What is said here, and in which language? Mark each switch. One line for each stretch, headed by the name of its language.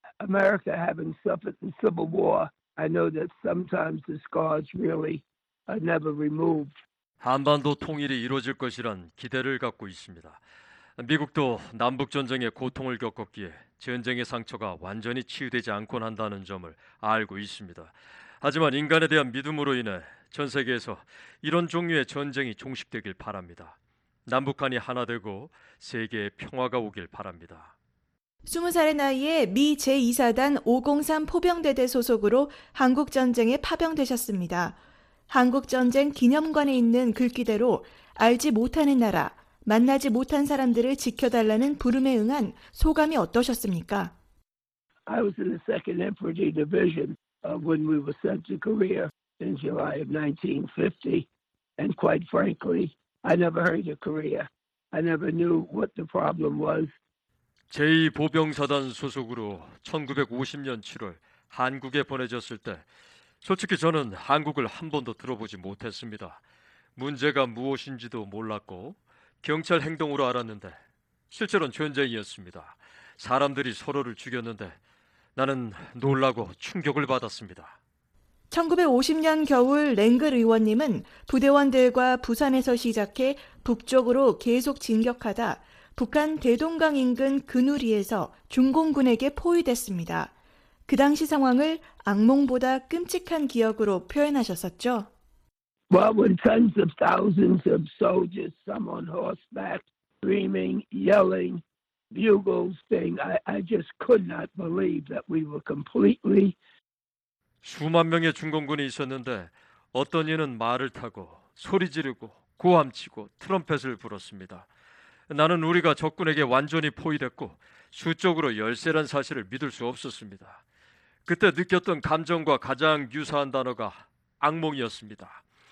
English: America having suffered in civil war, I know that sometimes the scars really are never removed.
Korean: 한반도 통일이 이루어질 것이란 기대를 갖고 있습니다. 미국도 남북전쟁의 고통을 겪었기에 전쟁의 상처가 완전히 치유되지 않곤 한다는 점을 알고 있습니다. 하지만 인간에 대한 믿음으로 인해 전 세계에서 이런 종류의 전쟁이 종식되길 바랍니다. 남북한이 하나 되고 세계에 평화가 오길 바랍니다. 20살의 나이에 미 제2사단 503 포병대대 소속으로 한국전쟁에 파병되셨습니다. 한국전쟁 기념관에 있는 글귀대로 알지 못하는 나라, 만나지 못한 사람들을 지켜달라는 부름에 응한 소감이 어떠셨습니까?
English: I was in the 2nd Infantry Division when we were sent to Korea in July of 1950. And quite frankly, I never heard of Korea. I never knew what the problem was.
Korean: 제2보병사단 소속으로 1950년 7월 한국에 보내졌을 때 솔직히 저는 한국을 한 번도 들어보지 못했습니다. 문제가 무엇인지도 몰랐고 경찰 행동으로 알았는데 실제로는 전쟁이었습니다. 사람들이 서로를 죽였는데 나는 놀라고 충격을 받았습니다. 1950년 겨울 랭글 의원님은 부대원들과 부산에서 시작해 북쪽으로 계속 진격하다 북한 대동강 인근 근우리에서 중공군에게 포위됐습니다. 그 당시 상황을 악몽보다 끔찍한 기억으로 표현하셨었죠.
English: Well, when tens of thousands of soldiers, some on horseback, screaming, yelling, bugles, saying, I just could not believe that we were completely.
Korean: 수만 명의 중공군이 있었는데 어떤 이는 말을 타고 소리 지르고 고함치고 트럼펫을 불었습니다. 나는 우리가 적군에게 완전히 포위됐고 수적으로 열세란 사실을 믿을 수 없었습니다. 그때 느꼈던 감정과 가장 유사한 단어가 악몽이었습니다.